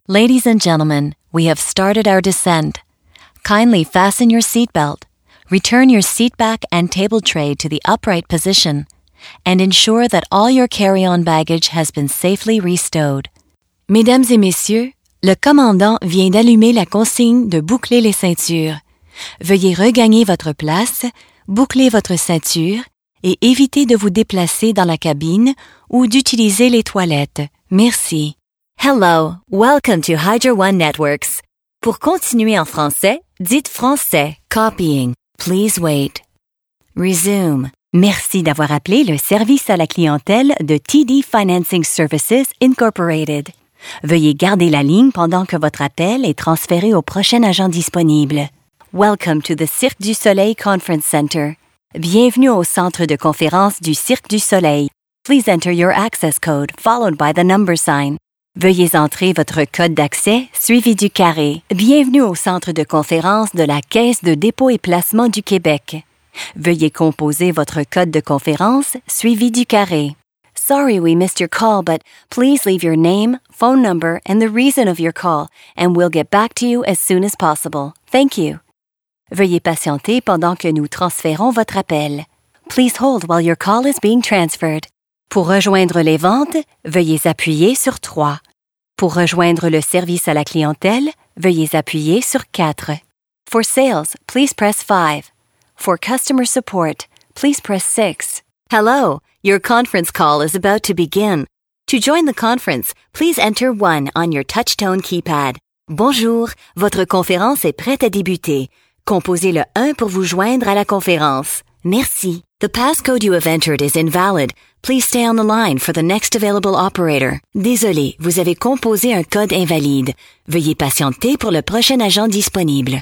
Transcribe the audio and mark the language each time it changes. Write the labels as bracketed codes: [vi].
[en] Ladies and gentlemen, we have started our descent. Kindly fasten your seatbelt, return your seat back and table tray to the upright position, and ensure that all your carry-on baggage has been safely restowed. [fr] Mesdames et messieurs, le commandant vient d'allumer la consigne de boucler les ceintures. Veuillez regagner votre place, boucler votre ceinture et éviter de vous déplacer dans la cabine ou d'utiliser les toilettes. Merci. [en] Hello, welcome to Hydro One Networks. [fr] Pour continuer en français, dites français. [en] Copying. Please wait. Resume. [fr] Merci d'avoir appelé le service à la clientèle de TD Financing Services Incorporated. Veuillez garder la ligne pendant que votre appel est transféré au prochain agent disponible. [en] Welcome to the Cirque du Soleil Conference Center. [fr] Bienvenue au centre de conférence du Cirque du Soleil. [en] Please enter your access code followed by the number sign. [fr] Veuillez entrer votre code d'accès suivi du carré. Bienvenue au centre de conférence de la Caisse de dépôt et placement du Québec. Veuillez composer votre code de conférence suivi du carré. [en] Sorry we missed your call, but please leave your name, phone number, and the reason of your call, and we'll get back to you as soon as possible. Thank you. [fr] Veuillez patienter pendant que nous transférons votre appel. [en] Please hold while your call is being transferred. [fr] Pour rejoindre les ventes, veuillez appuyer sur 3. Pour rejoindre le service à la clientèle, veuillez appuyer sur 4. [en] For sales, please press 5. For customer support, please press 6. Hello, your conference call is about to begin. To join the conference, please enter 1 on your touchtone keypad. [fr] Bonjour, votre conférence est prête à débuter. Composez le 1 pour vous joindre à la conférence. Merci. [en] The passcode you have entered is invalid. Please stay on the line for the next available operator. [fr] Désolé, vous avez composé un code invalide. Veuillez patienter pour le prochain agent disponible.